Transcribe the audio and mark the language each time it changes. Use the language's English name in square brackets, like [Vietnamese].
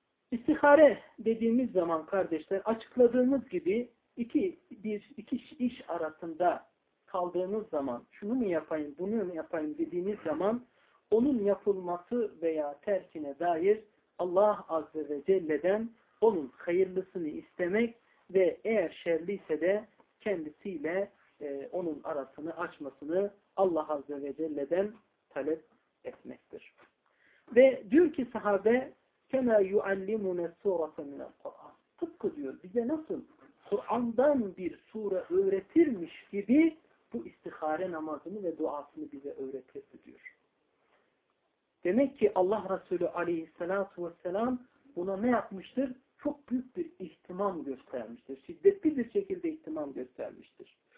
[Turkish] İstihare dediğimiz zaman kardeşler, açıkladığımız gibi iki iş arasında kaldığınız zaman, şunu mu yapayım, bunu mu yapayım dediğiniz zaman, onun yapılması veya terkine dair Allah Azze ve Celle'den onun hayırlısını istemek ve eğer şerliyse de kendisiyle onun arasını açmasını Allah Azze ve Celle'den talep etmektir. Ve diyor ki sahabe, [Arabic] كَمَا يُعَلِّمُنَ السُّورَةَ مِنَ الْقُرْآنِ. [Turkish] Tıpkı diyor, bize nasıl Kur'an'dan bir sure öğretirmiş gibi bu istihare namazını ve duasını bize öğretirdi diyor. Demek ki Allah Resulü aleyhissalatu vesselam buna ne yapmıştır? Çok büyük bir ihtimam göstermiştir. Şiddetli bir şekilde ihtimam göstermiştir.